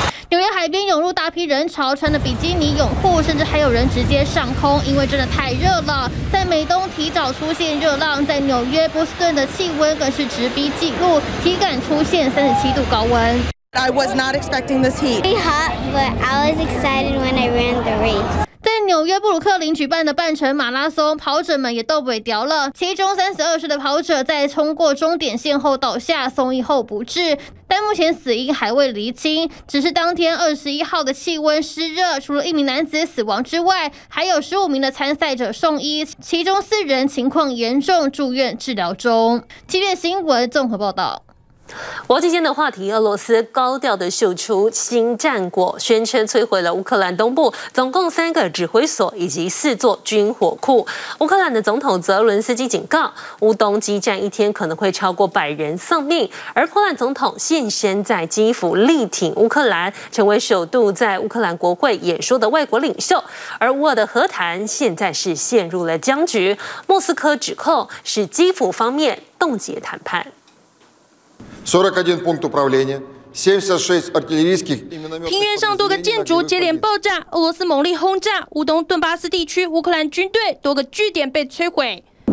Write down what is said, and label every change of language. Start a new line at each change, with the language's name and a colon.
Chinese: 纽约海边涌入大批人潮，穿着比基尼泳裤，甚至还有人直接上空，因为真的太热了。在美东提早出现热浪，在纽约波士顿的气温更是直逼纪录，体感出现37度高温。
English: I was not expecting this heat. Pretty hot, but I was excited when I ran the race.
Chinese: 在纽约布鲁克林举办的半程马拉松，跑者们也都被吊了。其中32岁的跑者在冲过终点线后倒下，送医后不治，但目前死因还未厘清。只是当天21号的气温湿热，除了一名男子死亡之外，还有15名的参赛者送医，其中4人情况严重，住院治疗中。七点新闻综合报道。国际间的话题，俄罗斯高调的秀出新战果，宣称摧毁了乌克兰东部总共3个指挥所以及4座军火库。乌克兰的总统泽伦斯基警告，乌东激战一天可能会超过100人丧命，而波兰总统现身在基辅力挺乌克兰，成为首度在乌克兰国会演说的外国领袖。而乌俄的和谈现在是陷入了僵局，莫斯科指控是基辅方面冻结谈判。
Russian: 41 пункт управления, 76 артиллерийских...
Chinese: 平原上多个建筑接连爆炸，俄罗斯猛力轰炸，乌东顿巴斯地区乌克兰军队多个据点被摧毁。